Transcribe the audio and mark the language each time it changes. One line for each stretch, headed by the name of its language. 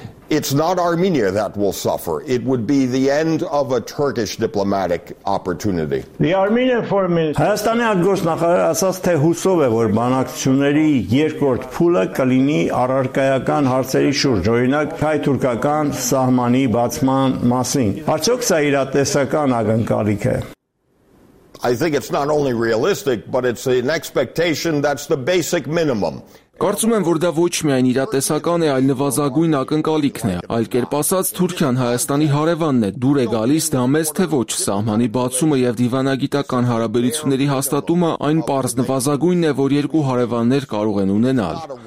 English: It's not Armenia that will suffer. It would be the end of a Turkish diplomatic opportunity. The Armenian foreign minister
Armenian: Հայաստանի արգոս նախարար ասաց, թե հուսով է, որ բանակցությունների երկրորդ փուլը կլինի առարկայական հարցերի շուրջ, օրինակ հայ-թուրքական սահմանի բացման մասին։ Արդյոք սա իրատեսական ակնկալիք է։
English: I think it's not only realistic, but it's an expectation that's the basic minimum.
Armenian: Կարծում եմ, որ դա ոչ միայն իրատեսական է, այլ նվազագույն ակնկալիքն է։ Այլ կերպ ասած, Թուրքիան Հայաստանի հարևանն է, դուր է գալիս դա մեզ, թե ոչ սահմանի բացումը եւ դիվանագիտական հարաբերությունների հաստատումը այն պարզ նվազագույնն է, որ երկու հարևաններ կարող են ունենալ։